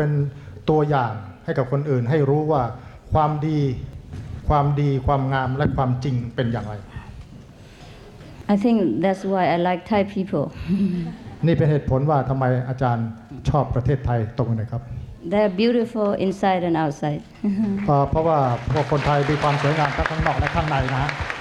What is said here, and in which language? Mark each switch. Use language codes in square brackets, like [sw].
[zh] 所以因为我们应该代表真善美啊，从里面和外面全部都要代表。啊， [th] พวกเราทุกคนที่ปฏิบัติบำเพ็ญธรรมจะต้องเป็นตัวอย่างให้กับคนอื่นให้รู้ว่า ความดีความงามและความจริงเป็นอย่างไร [en] I think that's why I like Thai people [th] นี่เป็นเหตุผลว่าทำไมอาจารย์ชอบประเทศไทยตรงนี้ครับ [en] They're beautiful inside and outside [th] เพราะว่าพวกคนไทยมีความสวยงามทั้งข้างนอกและข้างในนะ